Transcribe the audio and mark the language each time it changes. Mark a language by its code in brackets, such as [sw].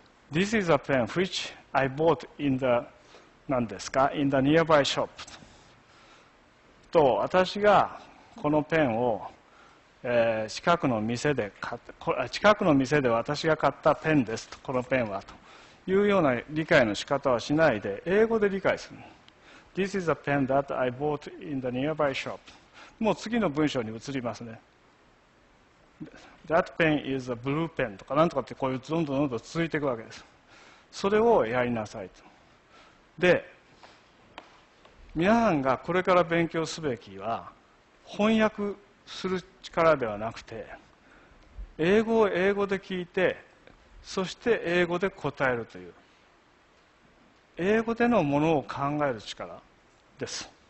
[en] This is a pen which I bought in the [ja] 何ですか [en] in the nearby shop [ja] と、私がこのペンを近くの店で買った、近くの店で私が買ったペンです、とこのペンはというような理解の仕方はしないで、英語で理解する。 [en] This is a pen that I bought in the nearby shop。 [ja] もう次の文章に移りますね。 [en] That pen is a blue pen [ja] とかなんとかって、こういうどんどんどんどん続いていくわけです。それをやりなさいと。で皆さんがこれから勉強すべきは翻訳する力ではなくて、英語を英語で聞いて、そして英語で答えるという、英語でのものを考える力です。